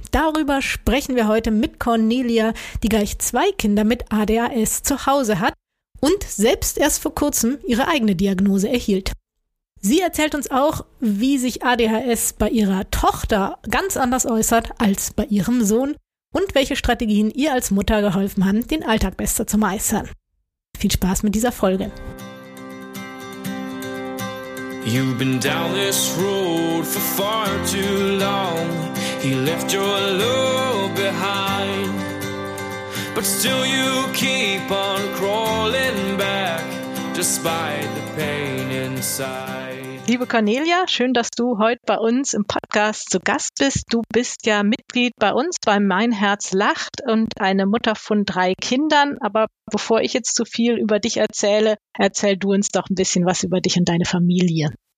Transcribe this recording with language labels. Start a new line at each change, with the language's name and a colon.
German: Darüber sprechen wir heute mit Cornelia, die gleich zwei Kinder mit ADHS zu Hause hat und selbst erst vor kurzem ihre eigene Diagnose erhielt. Sie erzählt uns auch, wie sich ADHS bei ihrer Tochter ganz anders äußert als bei ihrem Sohn. Und welche Strategien ihr als Mutter geholfen haben, den Alltag besser zu meistern. Viel Spaß mit dieser Folge.
English: You've been down this road for far too long. He left your love behind. But still you keep on crawling back, despite the pain inside.
German: Liebe Cornelia, schön, dass du heute bei uns im Podcast zu Gast bist. Du bist ja Mitglied bei uns bei Mein Herz lacht und eine Mutter von drei Kindern. Aber bevor ich jetzt zu viel über dich erzähle, erzähl du uns doch ein bisschen was über dich und deine Familie.